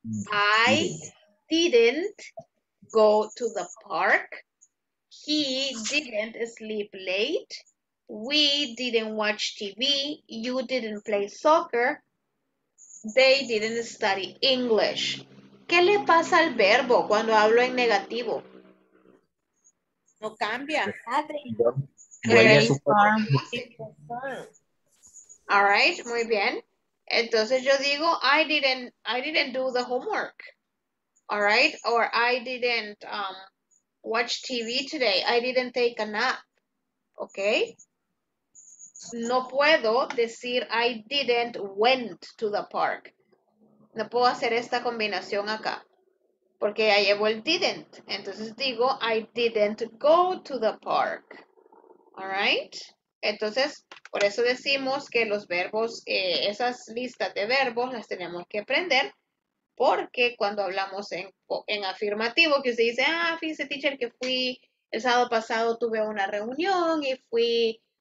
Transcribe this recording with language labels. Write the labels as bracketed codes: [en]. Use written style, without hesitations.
[en] I didn't go to the park. He didn't sleep late. We didn't watch TV, you didn't play soccer, they didn't study English. [es] ¿Qué le pasa al verbo cuando hablo en negativo? No cambia. [en] All right, [es] muy bien. Entonces yo digo, [en] I didn't do the homework. All right, or I didn't watch TV today. I didn't take a nap. Okay. [es] No puedo decir [en] I didn't went to the park. [es] No puedo hacer esta combinación acá. Porque ya llevo el didn't. Entonces digo [en] I didn't go to the park. All right? [es] Entonces, por eso decimos que los verbos, esas listas de verbos las tenemos que aprender. Porque cuando hablamos en afirmativo, que usted dice, ah, fíjese, teacher, que fui el sábado pasado, tuve una reunión y fui...